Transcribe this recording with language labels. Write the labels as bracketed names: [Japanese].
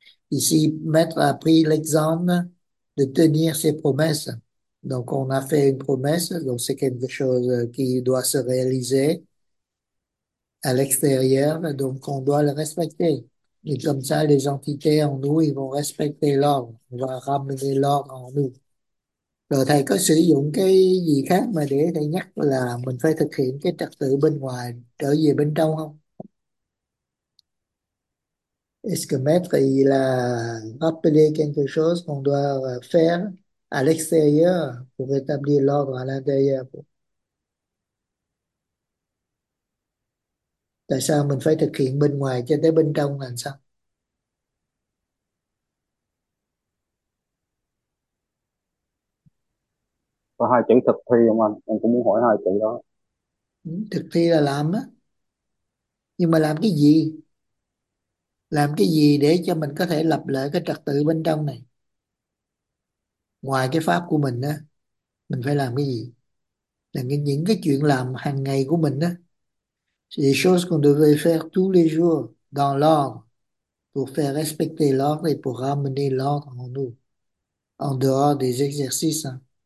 [French] Ici, maître a pris l'exemple de tenir ses promesses. Donc, on a fait une promesse, donc c'est quelque chose qui doit se réaliser. à l'extérieur, donc on doit le respecter. Et comme ça, les entités en nous, ils vont respecter l'ordre, ils vont ramener l'ordre en nous. [Vietnamese] Rồi thầy có sử dụng cái gì khác mà để thầy nhắc là mình phải thực hiện cái trật tự bên ngoài trở về bên trong không? [French] Est-ce que maître, il a rappelé quelque chose qu'on doit faire à l'extérieur pour rétablir l'ordre à l'intérieur? [Vietnamese] Tại sao mình phải thực hiện bên ngoài cho tới bên trong làm sao? Có hai chữ thực thi không anh? Em cũng muốn hỏi hai chữ đó. Thực thi là làm á, nhưng mà làm cái gì, làm cái gì để cho mình có thể lập lại cái trật tự bên trong này, ngoài cái pháp của mình á, mình phải làm cái gì, là những cái chuyện làm hàng ngày của mình á, [French] les choses qu'on devrait faire tous les jours dans l'ordre pour faire respecter l'ordre et pour ramener l'ordre en nous en dehors des exercices hein.